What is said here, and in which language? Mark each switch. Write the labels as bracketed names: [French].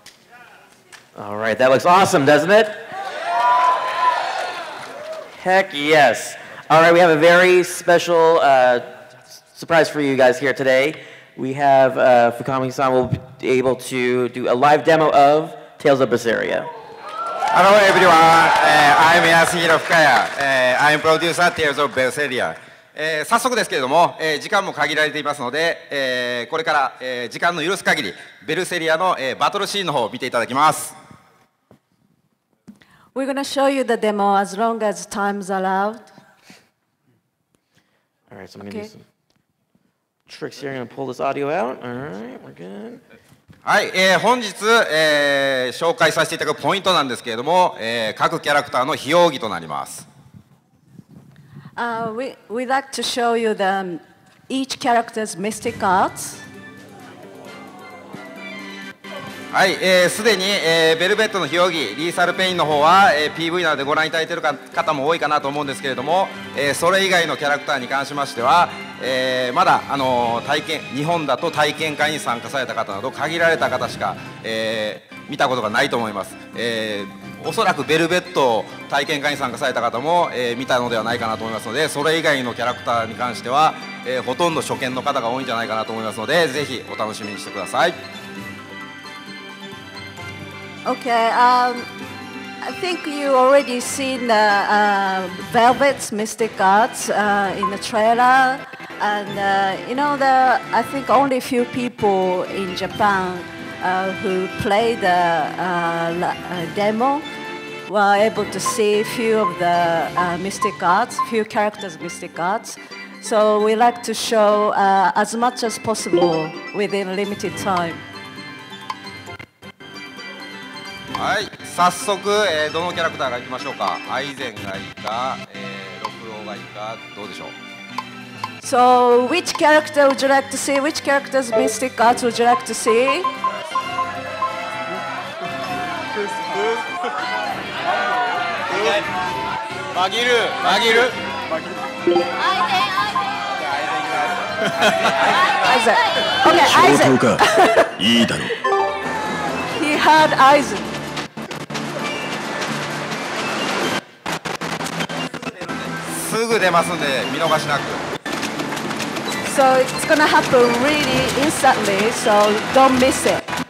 [Japanese] 悩めばいい。それも生きている証だ。これが私の生き方だ。 [English] All right, that looks awesome, doesn't it? Heck yes. All right, we have a very special surprise for you guys here today. We have Fukami-san will be able to do a live demo of Tales of Berseria. Hello, everyone. I'm Yasuhiro Fukaya. I'm producer of Tales of Berseria. [Japanese] 早速ですけれども、時間も限られていますので、これから時間の許す限り、ベルセリアのバトルシーンの方を見ていただきます。 [English] We're going to show you the demo as long as time's allowed. All right, so I'm going to do some... Tricks here, gonna pull this audio out. All right, we're good. [Japanese] はい、本日、紹介させていただくポイントなんですけれども、各キャラクターの費用儀となります。 [English] We'd like to show you the each character's mystic arts. [Japanese] はい、すでに、ベルベットの費用儀、リーサルペインの方は、PV などでご覧いただいている方も多いかなと思うんですけれども、それ以外のキャラクターに関しましては、まだ体験日本だと体験会に参加された方など限られた方しか、見たことがないと思います、おそらくベルベット体験会に参加された方も、見たのではないかなと思いますので、それ以外のキャラクターに関しては、ほとんど初見の方が多いんじゃないかなと思いますので、ぜひお楽しみにしてください。 [English] Okay, I think you already seen the Velvet's Mystic Arts in the trailerAnd you know, I think only a few people in Japan who played the demo were able to see a few of the mystic arts, few characters' mystic arts. So we like to show as much as possible within limited time. [Japanese] はい、早速、どのキャラクターがいきましょうか。アイゼンがいいか、六郎がいいか、どうでしょう。 [English] So, which character would you like to see? Which character's mystic arts would you like to see? Magiru, Magiru. Aizen, Aizen. Okay, Aizen. Okay, Aizen. He had Aizen. [Japanese] すぐ出ますんで見逃しなく。 [English] So it's gonna happen really instantly, so don't miss it.